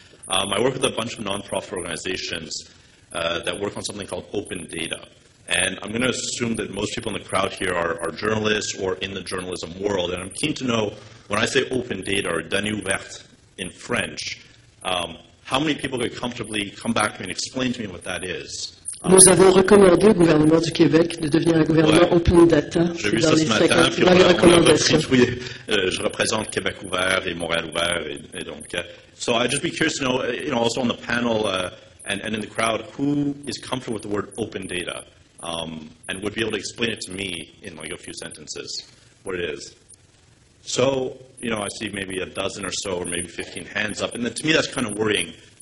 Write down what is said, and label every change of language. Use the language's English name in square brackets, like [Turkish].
[English] I work with a bunch of nonprofit organizations that work on something called open data. And I'm going to assume that most people in the crowd here are journalists or in the journalism world. And I'm keen to know, when I say open data or données ouvertes in French, how many people could comfortably come back to me and explain to me what that is? [French] Nous avons recommandé au gouvernement du Québec de devenir un gouvernement open data. J'ai vu ça ce matin, puis on a retweeté. Je représente Québec ouvert et Montréal ouvert, et donc. [English] So I'd just be curious to know, you know, also on the panel and in the crowd, who is comfortable with the word open data and would be able to explain it to me in like a few sentences, what it is. So, you know, I see maybe a dozen or so or maybe 15 hands up, and then to me that's kind of worrying.